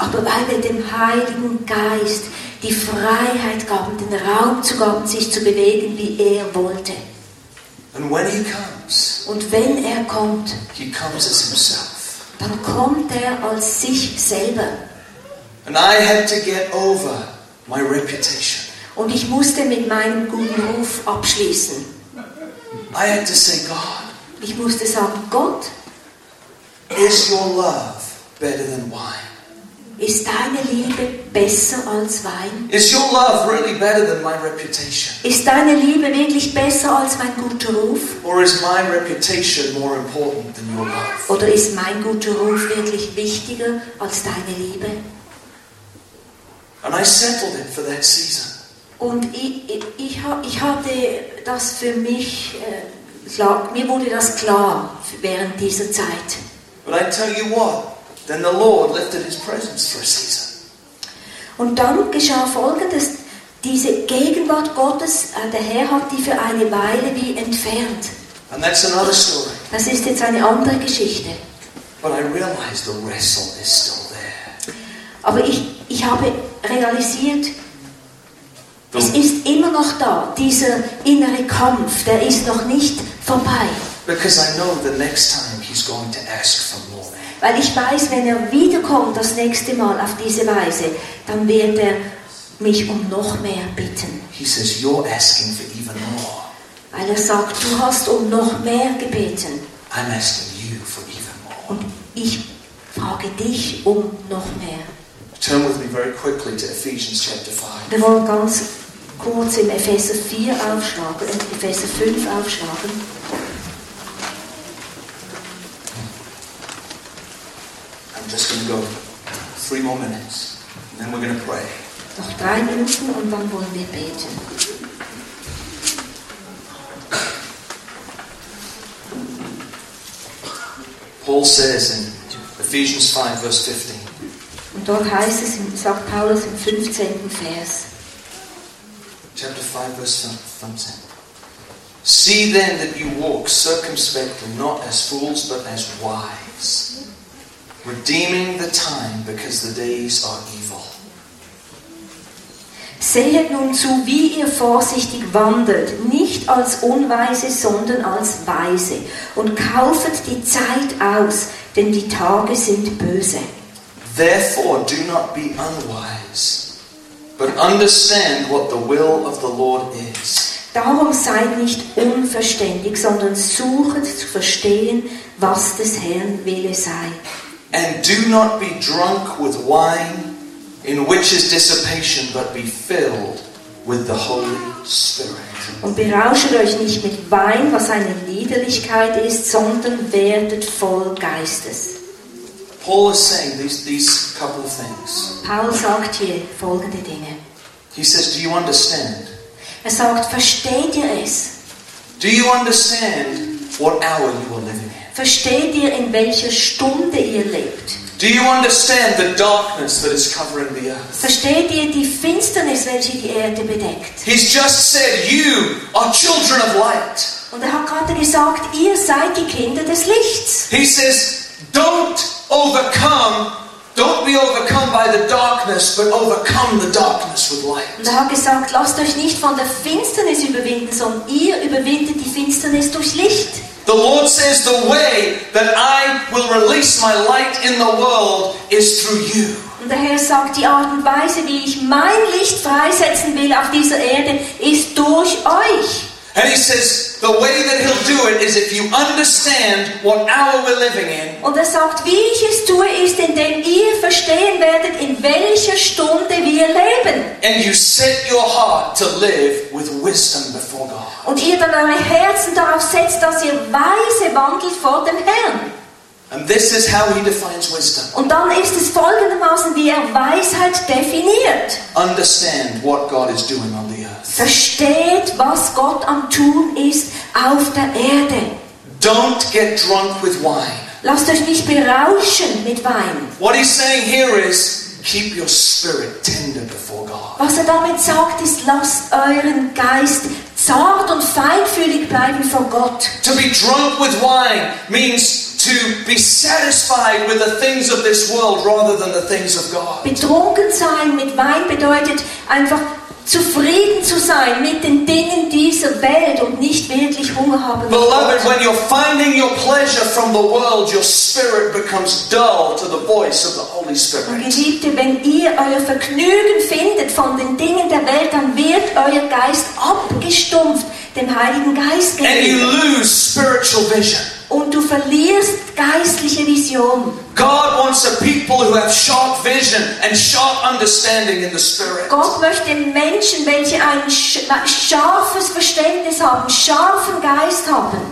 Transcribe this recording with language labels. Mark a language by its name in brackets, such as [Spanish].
[German] aber weil wir dem Heiligen Geist die Freiheit gaben, den Raum zu geben, sich zu bewegen, wie er wollte. [English] And when he comes, [German] und wenn er kommt, [English] he comes as himself. [German] Dann kommt er als sich selber. [English] And I had to get over my reputation. [German] Und ich musste mit meinem guten Ruf abschließen. [English] I had to say, God, [German] ich musste sagen, Gott, [English] is your love better than wine? [German] Ist deine Liebe besser als Wein? [English] Is your love really better than my reputation? [German] Ist deine Liebe wirklich besser als mein guter Ruf? [English] Or is my reputation more important than your love? [German] Oder ist mein guter Ruf wirklich wichtiger als deine Liebe? [English] And I settled it for that season. [German] Und ich hatte das für mich, mir wurde das klar während dieser Zeit. [English] But I tell you what, then the Lord lifted his presence for a season. [German] Und dann geschah Folgendes, diese Gegenwart Gottes, der Herr hat die für eine Weile wie entfernt. [English] And that's another story. [German] Das ist jetzt eine andere Geschichte. [English] But I realized the wrestle is still there. [German] Aber ich habe realisiert, es ist immer noch da, dieser innere Kampf, der ist noch nicht vorbei. [English] Because I know the next time he's going to ask for more. [German] Weil ich weiß, wenn er wiederkommt das nächste Mal auf diese Weise, dann wird er mich um noch mehr bitten. [English] He says, you're asking for even more. [German] Weil er sagt, du hast um noch mehr gebeten. [English] I'm asking you for even more. [German] Und ich frage dich um noch mehr. [English] Turn with me very quickly to Ephesians chapter 5. [German] Wir wollen ganz kurz im Epheser 4 aufschlagen, in Epheser 5 aufschlagen. [English] Just going to go 3 more minutes, and then we're going to pray. [German] Noch 3 Minuten und dann wollen wir beten. [English] Paul says in Ephesians 5, verse 15. [German] Und dort heißt es, sagt Paulus im 15. Vers. [English] Chapter 5, verse 15. See then that you walk circumspectly, not as fools, but as wise. Redeeming the time, because the days are evil. [German] Sehet nun zu, wie ihr vorsichtig wandelt, nicht als Unweise, sondern als Weise, und kaufet die Zeit aus, denn die Tage sind böse. [English] Therefore do not be unwise, but understand what the will of the Lord is. [German] Darum seid nicht unverständig, sondern suchet zu verstehen, was des Herrn Wille sei. [English] And do not be drunk with wine, in which is dissipation, but be filled with the Holy Spirit. [German] Und berauscht euch nicht mit Wein, was eine Liederlichkeit ist, sondern werdet voll Geistes. [English] Paul is saying these couple of things. [German] Paul sagt hier folgende Dinge. [English] He says, do you understand? [German] Er sagt, versteht ihr es? [English] Do you understand what hour you are living in? [German] Versteht ihr, in welcher Stunde ihr lebt? [English] Do you understand the darkness that is covering the earth? [German] Versteht ihr die Finsternis, welche die Erde bedeckt? [English] He's just said, you are children of light. [German] Und er hat gerade gesagt, ihr seid die Kinder des Lichts. [English] He says, don't be overcome by the darkness, but overcome the darkness with light. [German] Und er hat gesagt, lasst euch nicht von der Finsternis überwinden, sondern ihr überwindet die Finsternis durch Licht. [English] The Lord says the way that I will release my light in the world is through you. [German] Und der Herr sagt, die Art und Weise, wie ich mein Licht freisetzen will auf dieser Erde, ist durch euch. [English] And he says the way that he'll do it is if you understand what hour we're living in. [German] Und er sagt, wie ich es tue, ist indem ihr verstehen werdet, in welcher Stunde wir leben. [English] And you set your heart to live with wisdom before God. [German] Und ihr dann eure Herzen darauf setzt, dass ihr weise wandelt vor dem Herrn. [English] And this is how he defines wisdom. [German] Und dann ist es folgendermaßen, wie er Weisheit definiert. [English] Understand what God is doing on the earth. [German] Versteht, was Gott am Tun ist auf der Erde. [English] Don't get drunk with wine. [German] Lasst euch nicht berauschen mit Wein. [English] What he's saying here is, keep your spirit tender before God. [German] Was er damit sagt, ist, lasst euren Geist zart und feinfühlig bleiben vor Gott. [English] To be drunk with wine means to be satisfied with the things of this world rather than the things of God. [German] Betrunken sein mit Wein bedeutet einfach zufrieden zu sein mit den Dingen dieser Welt und nicht wirklich Hunger haben. [English] Beloved, when you're finding your pleasure from the world, your spirit becomes dull to the voice of the Holy Spirit. [German] Und Geliebte, wenn ihr euer Vergnügen findet von den Dingen der Welt, dann wird euer Geist abgestumpft dem Heiligen Geist gegeben. [English] And you lose spiritual vision. [German] Und du verlierst geistliche Vision. [English] God wants a people who have sharp vision and sharp understanding in the spirit. [German] Gott möchte Menschen, welche ein scharfes Verständnis haben, scharfen Geist haben.